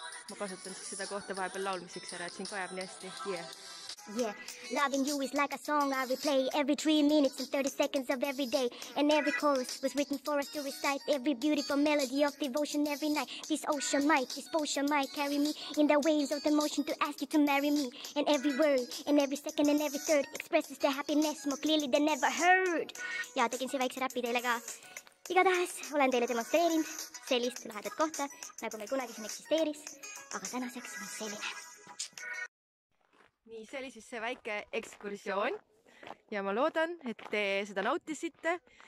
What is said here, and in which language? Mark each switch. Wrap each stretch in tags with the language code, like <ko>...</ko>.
<et>ma kasutan siis seda kohta vahepeal laulmiseks ära , et siin kajab nii hästi .</et> <en>Yeah. Yeah, loving you is like a song I replay every 3 minutes and 30 seconds of every day. And every chorus was written for us to recite. Every beautiful melody of devotion every night. This ocean might, this potion might carry me in the waves of the motion to ask you to marry me. And every word, and every second, and every third expresses the happiness more clearly than ever heard.</en> <et>Ja tegin siia väikse rapi teile ka. Igatahes olen teile demonstreerinud sellist lahedat kohta, nagu meil kunagi siin eksisteeris, aga tänaseks on selline. Nii, see oli siis see väike ekskursioon ja ma loodan, et te seda nautisite.</et>